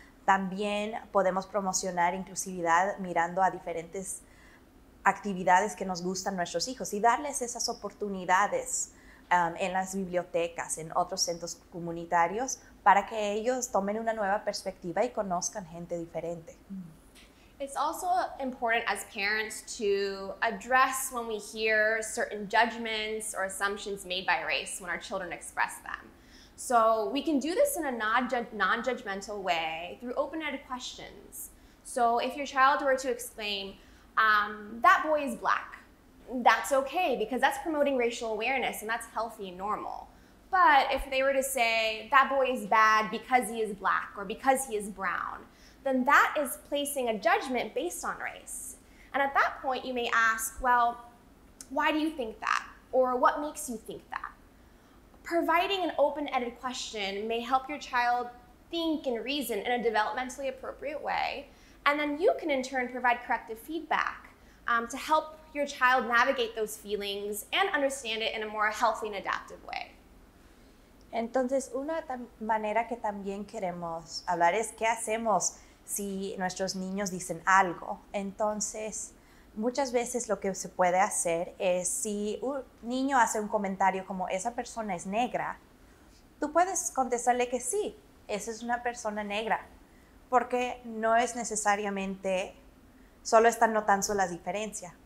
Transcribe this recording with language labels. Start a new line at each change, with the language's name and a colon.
Spanish: También podemos promocionar inclusividad mirando a diferentes actividades que nos gustan nuestros hijos y darles esas oportunidades en las bibliotecas, en otros centros comunitarios, para que ellos tomen una nueva perspectiva y conozcan gente diferente.
English: It's also important as parents to address when we hear certain judgments or assumptions made by race when our children express them. So we can do this in a non-judgmental way through open-ended questions. So if your child were to exclaim, that boy is black, that's okay, because that's promoting racial awareness and that's healthy and normal. But if they were to say, that boy is bad because he is black or because he is brown, then that is placing a judgment based on race. And at that point, you may ask, well, why do you think that? Or what makes you think that? Providing an open-ended question may help your child think and reason in a developmentally appropriate way. And then you can in turn provide corrective feedback to help your child navigate those feelings and understand it in a more healthy and adaptive way.
Spanish: Entonces, una manera que también queremos hablar es qué hacemos si nuestros niños dicen algo. Entonces, muchas veces lo que se puede hacer es si un niño hace un comentario como esa persona es negra, tú puedes contestarle que sí, esa es una persona negra, porque no es necesariamente solo están notando las diferencias.